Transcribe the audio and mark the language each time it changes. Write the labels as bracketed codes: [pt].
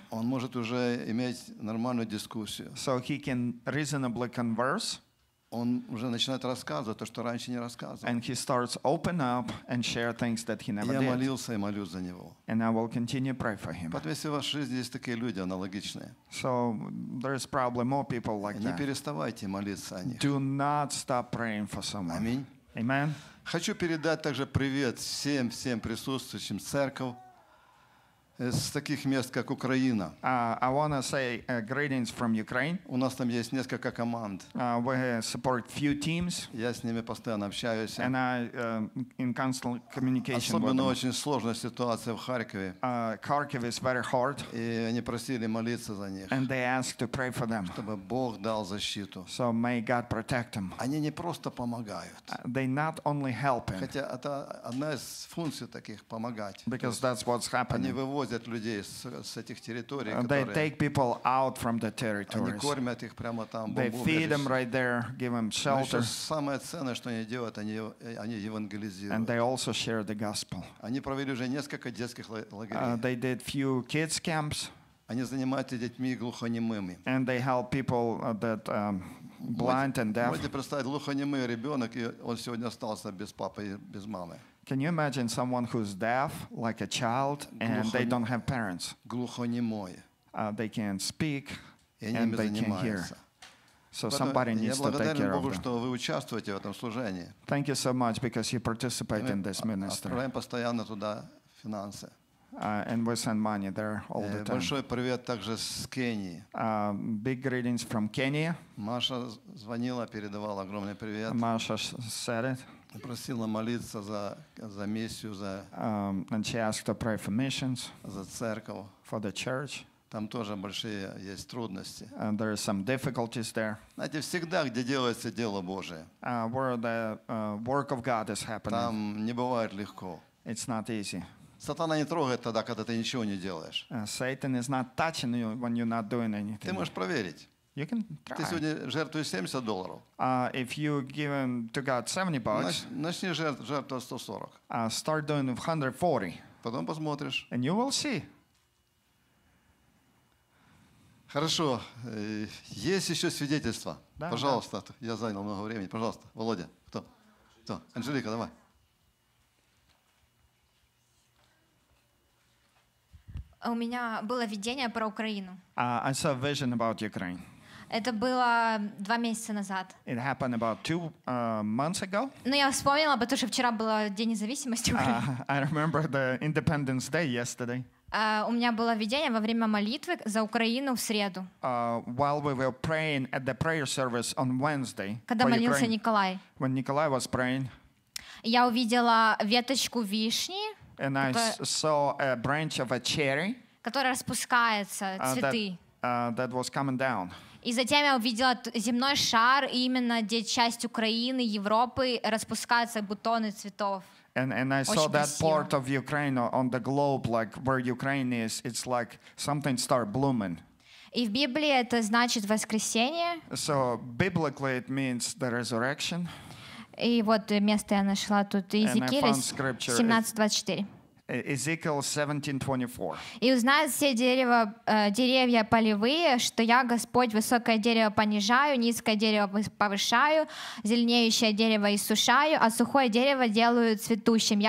[ru] Он может уже иметь нормальную дискуссию. [en] So he can reasonably converse. [ru] Он уже начинает рассказывать то, что раньше не рассказывал. [en] And he starts open up and share things that he never did. [ru] Я молился и молюсь за него. [en] And I will continue pray for him. [ru] Потому что в вашей жизни есть такие люди аналогичные. [en] So there is probably more people like that. [ru] Не переставайте молиться о них. [en] Do not stop praying for someone. [ru] Аминь. [en] Amen. [ru] Хочу передать также привет всем присутствующим церковь. Из таких мест, как Украина. [en] I want to say greetings from Ukraine. [ru] У нас там есть несколько команд. [en] We support few teams. [ru] Я с ними постоянно общаюсь. [en] And I in constant communication. [ru] Особенно очень сложная ситуация в Харькове. [en] Kharkiv is very hard. [ru] И они просили молиться за них. [en] And they asked to pray for them. [ru] Чтобы Бог дал защиту. [en] So may God protect them. [ru] Они не просто помогают. [en] They not only helping. [ru] Хотя это одна из функций таких помогать. [en] Because that's what's happening. [ru] Возят людей с этих территорий, которые. [en] They take people out from the territories. [ru] Они кормят их прямо там. [en] They feed them right there, give them shelter. [ru] Самое ценное, что они делают, они евангелизируют. [en] And they also share the gospel. [ru] Они провели уже несколько детских лагерей. [en] They did few kids camps. [ru] Они занимаются детьми глухонемыми. [en] And they help people that blind and deaf. [ru] Можете представить, глухонемый ребенок, и он сегодня остался без папы и без мамы. [en] Can you imagine someone who's deaf, like a child, and they don't have parents? [ru] Глухонемой. [en] They can't speak, and they can't hear. So somebody needs to take care of them. [ru] Вы участвуете в этом служении. [en] Thank you so much because you participate in this ministry. [ru] Отправляем постоянно туда финансы. [en] And we send money there all the time. [ru] Большой привет также с Кении. [en] Big greetings from Kenya. [ru] Маша звонила, передавала огромный привет. [en] Masha said it. [ru] Просила молиться за миссию, за [en] and she asked to pray for missions. [ru] За церковь. [en] For the church. [ru] Там тоже большие есть трудности. [en] And there are some difficulties there. [ru] Знаете, всегда, где делается дело Божие. [en] Where the work of God is happening. [ru] Там не бывает легко. [en] It's not easy. [ru] Сатана не трогает тогда, когда ты ничего не делаешь. [en] Satan is not touching you when you're not doing anything. [ru] Ты можешь проверить. [en] You can try. [ru] Ты сегодня жертвуешь $70. [en] If you give to God $70. [ru] Начни жертвовать 140. [en] Start doing with 140. [ru] Потом посмотришь. [en] And you will see. [ru] Хорошо. Есть еще свидетельства? Да, пожалуйста. Да. Я занял много времени. Пожалуйста. Володя. Кто? Кто? Анжелика, давай. У меня было видение про Украину. [en] I saw a vision about Ukraine. [ru] Это было 2 месяца назад. [en] It happened about 2 months ago. [ru] Но я вспомнила, потому что вчера был День независимости Украины. [en] I remember the Independence Day yesterday. [ru] У меня было видение во время молитвы за Украину в среду. [en] While we were praying at the prayer service on Wednesday. [ru] Когда молился Николай. [en] When Николай was praying. [ru] Я увидела веточку вишни. [en] And I saw a branch of a cherry. [ru] Которая распускается, цветы. [en] That was coming down. [ru] И затем я увидела земной шар, именно где часть Украины, Европы распускаются бутоны цветов. [en] And I saw that part of Ukraine on the globe, like where Ukraine is, it's like something start blooming. [ru] И в Библии это значит воскресение. [en] So biblically it means the resurrection. [ru] И вот место я нашла тут, Иезекииль 17:24. [en] Ezekiel 17:24. [ru] И узнают все дерева, деревья полевые, что я Господь, высокое дерево понижаю, низкое дерево повышаю, зеленеющее дерево иссушаю, а сухое дерево делаю цветущим.